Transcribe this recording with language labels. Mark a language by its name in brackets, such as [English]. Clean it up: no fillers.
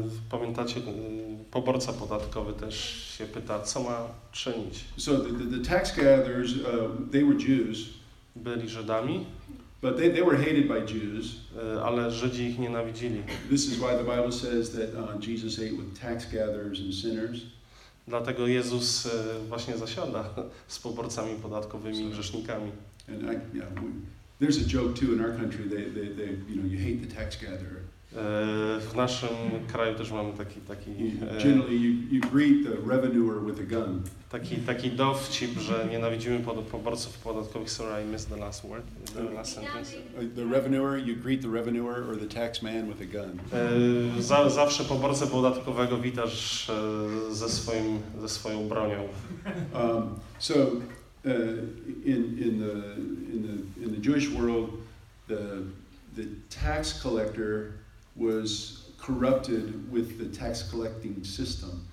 [Polish] Pamiętacie, poborca podatkowy też się pyta, co ma czynić? [English] So the tax gatherers, they were Jews. [Polish] Byli Żydami. [English] But they were hated by Jews. [Polish] Ale Żydzi ich nienawidzili. [English] This is why the Bible says that Jesus ate with tax gatherers and sinners. [Polish] Dlatego Jezus właśnie zasiada z poborcami podatkowymi i grzesznikami. [English] And I, yeah, there's a joke too in our country. They you know, you hate the tax gatherer. [Polish] W naszym kraju też mamy taki [English] generally you greet the revenuer with a gun. [Polish] Taki dowcip, że nienawidzimy poborców podatkowych. [English] Sorry, I missed the last word. The last sentence. The revenuer, you greet the revenuer or the tax man with a gun. [Polish] Zawsze poborcę podatkowego witasz ze swoją bronią. [English] So in the Jewish world, the tax collector was corrupted with the tax collecting system.